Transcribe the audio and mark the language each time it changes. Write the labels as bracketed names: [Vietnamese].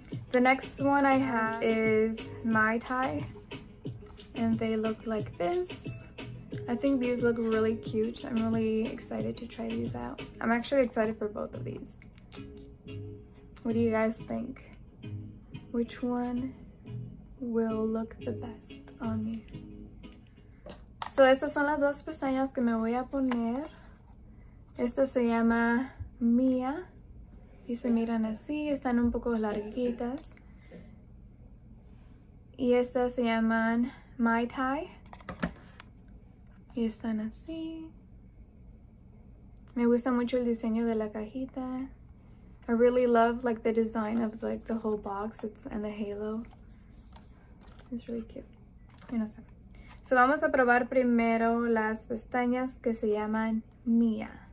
[English] The next one I have is Mai Tai, and they look like this. I think these look really cute. I'm really excited to try these out. I'm actually excited for both of these. What do you guys think? Which one will look the best on me? [Spanish] So estas son las dos pestañas que me voy a poner. Esta se llama Mia. Y se miran así, están un poco larguitas. Y estas se llaman Mai Tai. Y están así. Me gusta mucho el diseño de la cajita. [English] I really love like the design of like the whole box and the halo. It's really cute. [Spanish] No sé. So vamos a probar primero las pestañas que se llaman Mia.